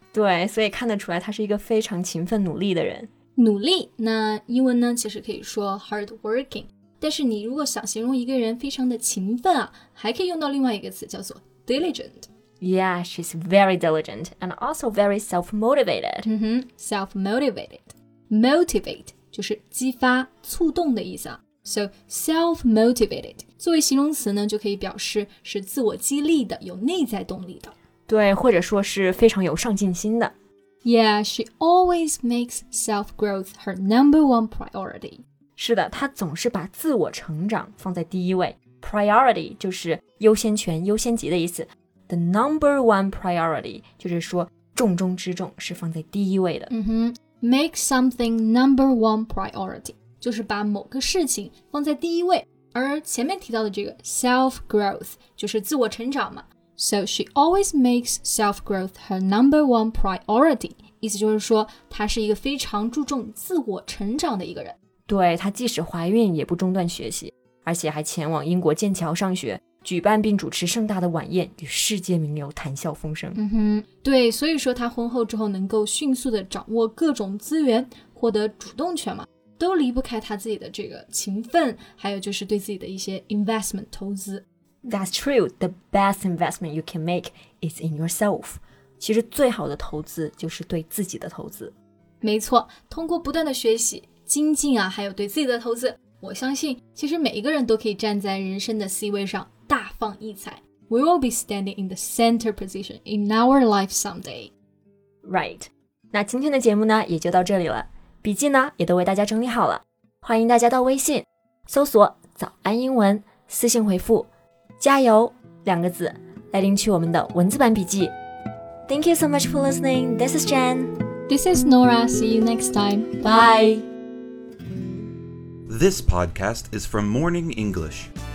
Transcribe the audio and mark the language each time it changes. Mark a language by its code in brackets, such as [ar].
[zh] 对，所以看得出来他是一个非常勤奋努力的人。努力，那英文呢其实可以说 hard working， 但是你如果想形容一个人非常的勤奋啊，还可以用到另外一个词叫做 diligent。 [en] Yeah, she's very diligent and also very self-motivated. Self-motivated. [zh] Motivate就是激发触动的意思啊。 So self-motivated 作为形容词呢就可以表示是自我激励的，有内在动力的。对，或者说是非常有上进心的。 [en] Yeah, she always makes self-growth her number one priority. [zh] 是的，她总是把自我成长放在第一位。 Priority 就是优先权优先级的意思， [en] The number one priority [zh] 就是说重中之重，是放在第一位的。嗯哼， [en] Make something number one priority， [zh] 就是把某个事情放在第一位。而前面提到的这个 self-growth 就是自我成长嘛。 [en] So she always makes self-growth her number one priority， [zh] 意思就是说她是一个非常注重自我成长的一个人。对，她即使怀孕也不中断学习，而且还前往英国剑桥上学，举办并主持盛大的晚宴，与世界名流谈笑风生。嗯哼，对，所以说她婚后之后能够迅速地掌握各种资源，获得主动权嘛，都离不开她自己的这个勤奋，还有就是对自己的一些 investment 投资。 [en] That's true, the best investment you can make is in yourself. [zh] 其实最好的投资就是对自己的投资。没错，通过不断的学习精进啊，还有对自己的投资，我相信其实每一个人都可以站在人生的 C 位上大放异彩。 [en] We will be standing in the center position in our life someday. Right. [zh] 那今天的节目呢也就到这里了，笔记呢也都为大家整理好了，欢迎大家到微信搜索早安英文，私信回复加油两个字来领取我们的文字版笔记。 [en] Thank you so much for listening. This is Jen. This is Nora. See you next time. Bye. This podcast is from Morning English.